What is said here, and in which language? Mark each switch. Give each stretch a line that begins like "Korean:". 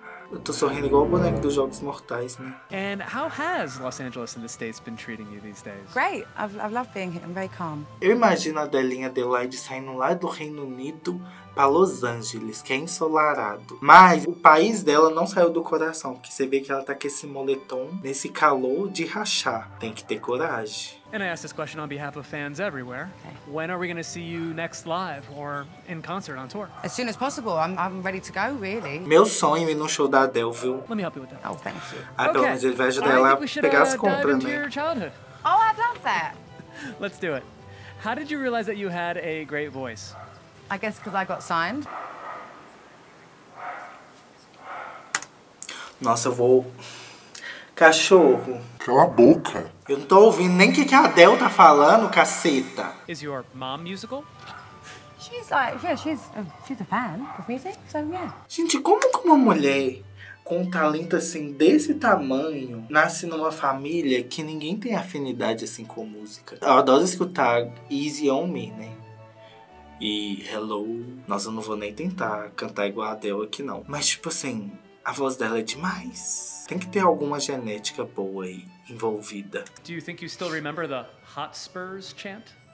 Portuguese: Eu tô sorrindo igual o boneco dos Jogos Mortais, né?
English: And how has Los Angeles and the States been treating you these days? Great. I've loved being here. I'm very calm.
Portuguese: Eu imagino a Adelinha Adelaide saindo lá do Reino Unido pra Los Angeles, que é ensolarado. Mas o país dela não saiu do coração, porque você vê que ela tá com esse moletom nesse calor de rachar. Tem que ter coragem.
English: And I ask this question on behalf of fans everywhere. Okay. When are we going to see you next live or in concert on tour? As soon as possible. I'm ready to go, really.
Portuguese: Meu sonho é ir no show da Adele, viu?
English: Let me help you with that. Oh, thank you.
Portuguese: Ah, pelo menos ele vai ajudar ela a pegar as compras, né?
English: Oh, I'd love that. Let's do it. How did you realize that you had a great voice? I guess because I got signed.
Portuguese: Nossa, eu vou... Cachorro. Cala a boca. Eu não tô ouvindo nem o que, que a Adele tá falando, caceta.
English: Is your mom musical? She's like, yeah, she's a fan of music, so yeah.
Portuguese: Gente, como que uma mulher com um talento assim desse tamanho nasce numa família que ninguém tem afinidade assim com música? Eu adoro escutar Easy On Me, né? E Hello. Nossa, eu não vou nem tentar cantar igual a Adele aqui, não. Mas, tipo assim, a voz dela é demais. Tem que ter alguma genética boa aí envolvida.
English: Do you think you still remember the Hotspurs chant?